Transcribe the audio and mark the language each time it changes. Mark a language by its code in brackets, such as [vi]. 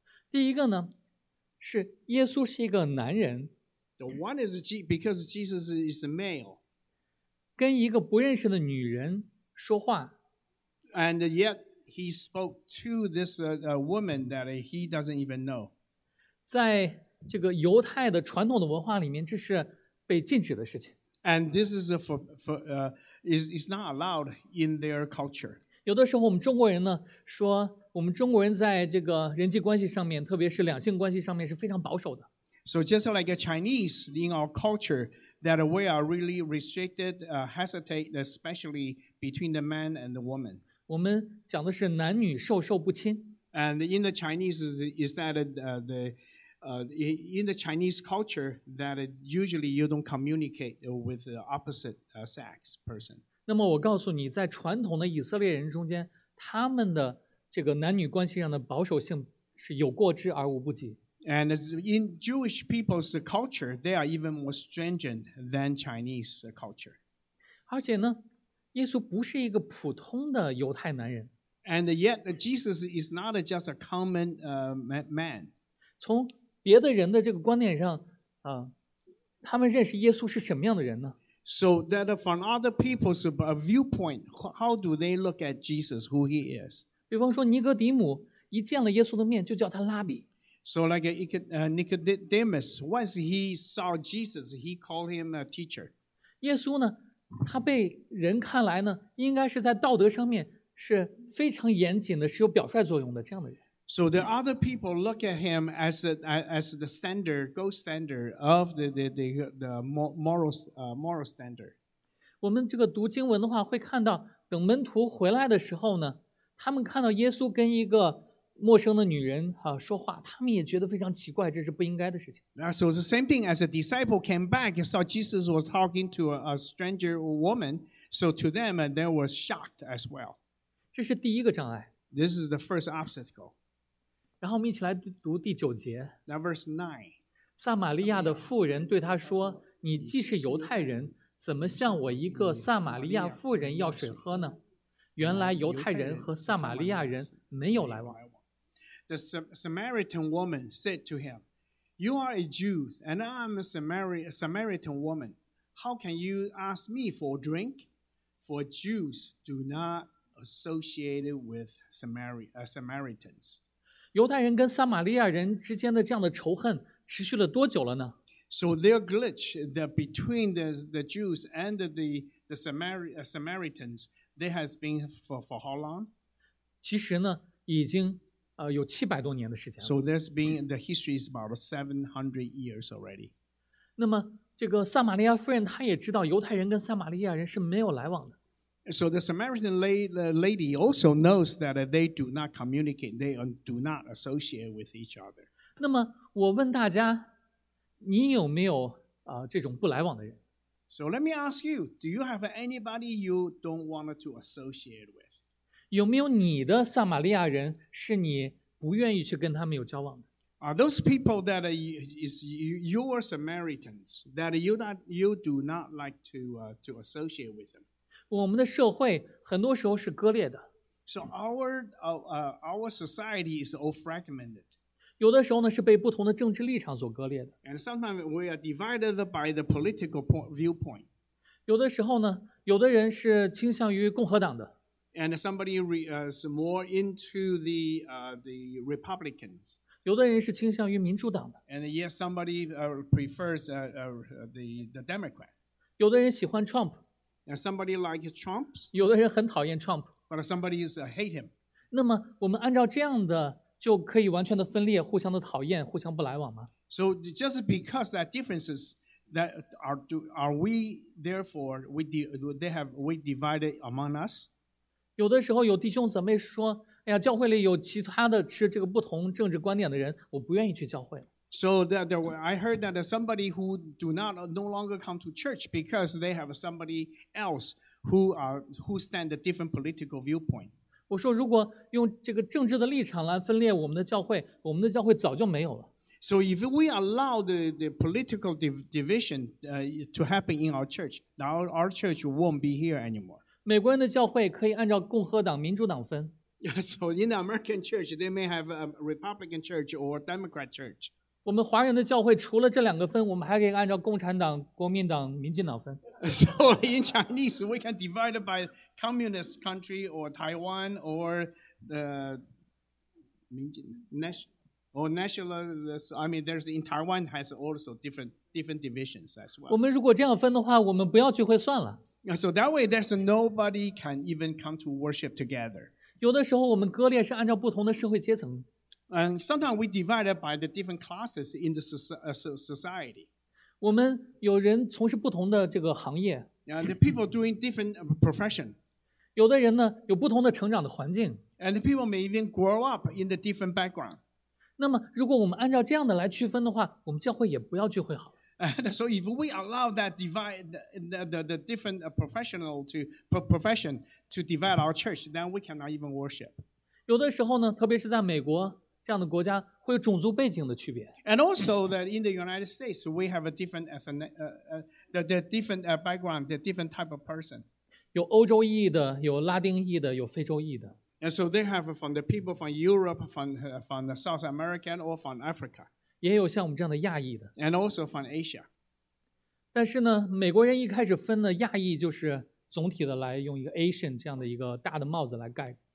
[zh] 第一个呢，是耶稣是一个男人。 [en] The one is because Jesus is a male. [zh] 跟一个不认识的女人说话。 [en] And yet,He spoke to this woman that he doesn't even know. [zh] 在这个犹太的传统的文化里面，这是被禁止的事情。 [en] And this is is not allowed in their culture. [zh] 有的时候我们中国人呢说，我们中国人在这个人际关系上面，特别是两性关系上面是非常保守的。 [en] So just like a Chinese in our culture, that we are really restricted, hesitate, especially between the man and the woman. [zh] 我们讲的是男女授受不亲。 [en] And in the Chinese is that in the Chinese culture that usually you don't communicate with the opposite sex person. [zh] 那么我告诉你，在传统的以色列人中间，他们的这个男女关系上的保守性是有过之而无不及。 [en] And in Jewish people's culture, they are even more stringent than Chinese culture. [zh] 而且呢？耶稣不是一个普通的犹太男人。 [en] And yet Jesus is not just a common man. [zh] 从别的人的这个观点上，他们认识耶稣是什么样的人呢？ [en] So that from other people's viewpoint, how do they look at Jesus, who he is? [zh] 比方说尼哥底母一见了耶稣的面就叫他拉比。 [en] So like Nicodemus, once he saw Jesus, he called him a teacher. [zh] 耶稣呢他被人看来呢，应该是在道德上面是非常严谨的，是有表率作用的这样的人。 [en] So the other people look at him as the standard, gold standard of the moral standard. [zh] 我们这个读经文的话，会看到等门徒回来的时候呢，他们看到耶稣跟一个陌生的女人说话，他们也觉得非常奇怪，这是不应该的事情。 [en] So the same thing as a disciple came back and saw Jesus was talking to a stranger woman, so to them they were shocked as well. [zh] 这是第一个障碍。 [en] This is the first obstacle. [zh] 然后我们一起来读第九节。 [en] Now verse 9. [zh] 撒玛利亚的妇人对他说，你既是犹太人，怎么向我一个撒玛利亚妇人要水喝呢？原来犹太人和撒玛利亚人没有来往。 [en] The Samaritan woman said to him, You are a Jew, and I am a Samaritan woman. How can you ask me for a drink? For Jews do not associate with Samaritans. [zh] 犹太人跟撒玛利亚人之间的这样的仇恨持续了多久了呢？ [en] So their glitch between the Jews and the Samaritans, they has been for how long? [zh] 其实呢，已经有七百多年的时间了。 [en] So there's been the history is about 700 years already. [zh] 那么这个撒玛利亚夫人她也知道犹太人跟撒玛利亚人是没有来往的。 [en] So the Samaritan lady also knows that they do not communicate, they do not associate with each other. [zh] 那么我问大家，你有没有这种不来往的人？ [en] So let me ask you, do you have anybody you don't want to associate with? [zh] 有没有你的撒玛利亚人是你不愿意去跟他们有交往的？ [en] Are those people that is your Samaritans that you do not like to associate with them? [zh] 我们的社会很多时候是割裂的。 [en] So our society is all fragmented. [zh] 有的时候呢是被不同的政治立场所割裂的。 [en] And sometimes we are divided by the political viewpoint. [zh] 有的时候呢，有的人是倾向于共和党的。 [en] And somebody is more into the Republicans. [zh] 有的人是倾向于民主党的。 [en] And yes, somebody prefers the Democrat. [zh] 有的人喜欢 Trump. [en] And somebody likes Trump. [zh] 有的人很讨厌 Trump. [en] But somebody hate him. [zh] 那么我们按照这样的就可以完全的分裂，互相的讨厌，互相不来往吗？ [en] So just because that differences that are we therefore we divided among us? [zh] 有的时候有弟兄姊妹说，哎呀，教会里有其他的持这个不同政治观点的人，我不愿意去教会。 [en] So that I heard that somebody who do not no longer come to church because they have somebody else who stand a different political viewpoint. [zh] 我说如果用这个政治的立场来分裂我们的教会，我们的教会早就没有了。 [en] So if we allow the political division to happen in our church, our church won't be here anymore. [zh] 美国人的教会可以按照共和党、民主党分。 [en] So in the American church, they may have a Republican church or Democrat church. [zh] 我们华人的教会除了这两个分，我们还可以按照共产党、国民党、民进党分。 [en] So in Chinese, we can divide by communist country or Taiwan or the 民进 national or nationalist. I mean, there's in Taiwan has also different divisions as well. [zh] 我们如果这样分的话，我们不要聚会算了。 [en] So that way, there's nobody can even come to worship together. [zh] 有的时候我们割裂是按照不同的社会阶层。 [en] And sometimes we divide by the different classes in the society. [zh] 我们有人从事不同的这个行业。 [en] And the people doing different profession. [zh] 有的人呢有不同的成长的环境。 [en] And the people may even grow up in the different background. [zh] 那么如果我们按照这样的来区分的话，我们教会也不要聚会好。 [en] And so if we allow that divide the different professional to profession to divide our church, then we cannot even worship. [zh] 有的时候呢，特别是在美国这样的国家，会有种族背景的区别。 [en] And also that in the United States, we have a different the different background, the different type of person. [zh] 有欧洲裔的，有拉丁裔的，有非洲裔的。 [en] And so they have from the people from Europe, from the South America or from Africa. [zh] 也有像我们这样的亚裔的。 [en] And also from Asia. [zh] 但是呢，美国人一开始分的亚裔就是总体的来用一个 Asian 这样的一个大的帽子来盖。